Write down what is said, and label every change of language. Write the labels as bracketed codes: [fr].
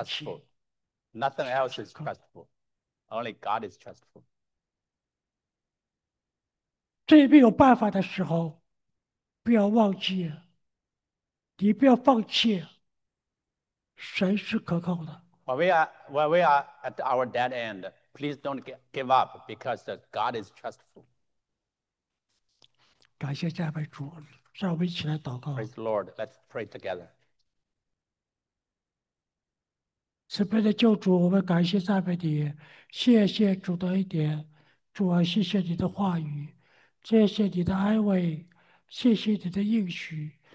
[en] trustful. Nothing else [zh] 是 [en] is [zh] 可靠的。 [en] trustful. Only God is trustful. [zh] 最没有办法的时候，不要忘记。你不要放弃，神是可靠的。 [en] While we are at our dead end, please don't give up because God is trustful. [zh] 感谢赞美主，让我们一起来祷 [en] Praise the Lord. Let's pray together. [zh] 慈悲的救主，我们感谢赞美你，谢谢主的恩典，主啊，谢谢你的话语，谢谢你的安慰，谢谢你的应许。